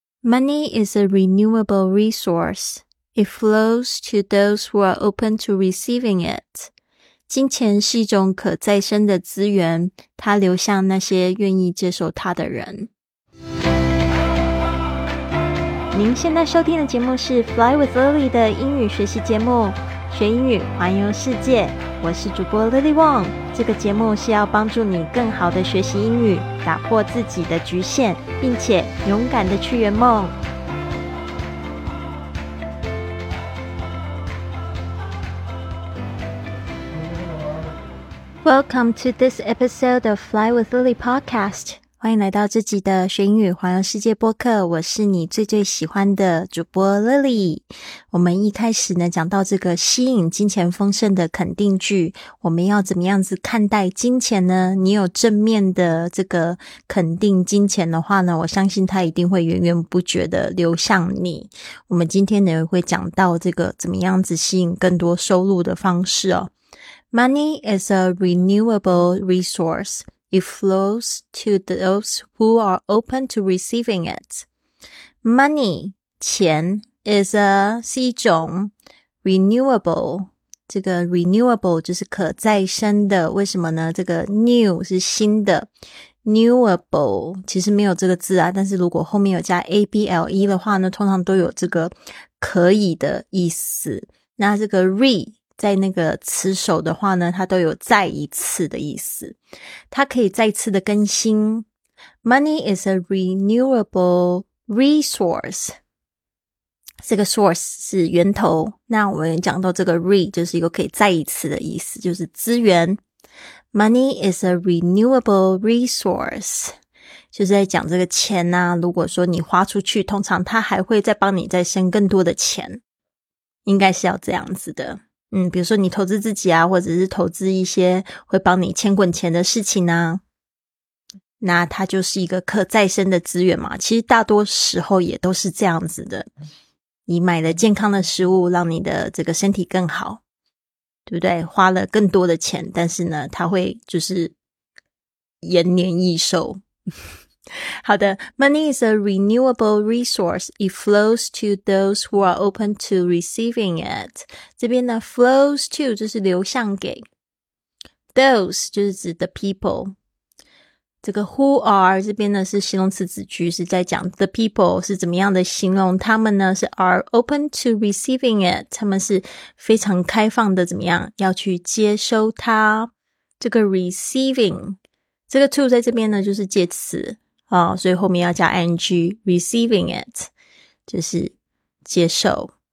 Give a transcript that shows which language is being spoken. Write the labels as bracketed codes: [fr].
[en] Money is a renewable resource. It flows to those who are open to receiving it. [zh] 金钱是一种可再生的资源，它流向那些愿意接受它的人。您现在收听的节目是 Fly with Lily 的英语学习节目，学英语环游世界。我是主播 Lily Wong。这个节目是要帮助你更好的学习英语，打破自己的局限，并且勇敢的去圆梦。 [en] Welcome to this episode of Fly with Lily podcast. [zh] 欢迎来到这集的学英语环游世界播客，我是你最最喜欢的主播 Lily。我们一开始呢讲到这个吸引金钱丰盛的肯定句，我们要怎么样子看待金钱呢？你有正面的这个肯定金钱的话呢，我相信它一定会源源不绝的流向你。我们今天呢会讲到这个怎么样子吸引更多收入的方式哦。 [en] Money is a renewable resource. It flows to those who are open to receiving it. Money, [zh] 钱 [en] is a, [zh] 是一种 renewable, 这个 renewable 就是可再生的，为什么呢？这个 new 是新的， newable 其实没有这个字啊，但是如果后面有加 able 的话呢，通常都有这个可以的意思。那这个 re,在那个词首的话呢，它都有再一次的意思，它可以再次的更新。 [en] Money is a renewable resource. [zh] 这个 source 是源头，那我们讲到这个 re 就是一个可以再一次的意思，就是资源。 [en] Money is a renewable resource. [zh] 就是在讲这个钱啊，如果说你花出去，通常它还会再帮你再生更多的钱，应该是要这样子的。嗯，比如说你投资自己啊，或者是投资一些会帮你钱滚钱的事情啊，那它就是一个可再生的资源嘛。其实大多时候也都是这样子的，你买了健康的食物让你的这个身体更好，对不对？花了更多的钱，但是呢它会就是延年益寿。好的， [en] Money is a renewable resource. It flows to those who are open to receiving it. [zh] 这边呢 flows to 就是流向给， those 就是指 [en] the people。 [zh] 这个 who are 这边呢是形容词子句，是在讲 [en] the people [zh] 是怎么样的形容他们呢，是 [en] are open to receiving it， [zh] 他们是非常开放的，怎么样要去接收它。这个 receiving 这个 to 在这边呢就是介词哦，所以后面要加 ing， [en] receiving it [zh] 就是接受。